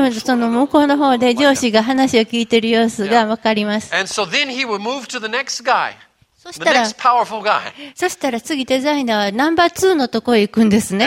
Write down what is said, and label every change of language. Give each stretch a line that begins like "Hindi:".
Japanese: もその向こうの方で上司が話を聞いている様子がわかります。
English: And so then he would move to the next guy.
Japanese: そしたら次デザイナーはナンバー2のとこへ行くんですね。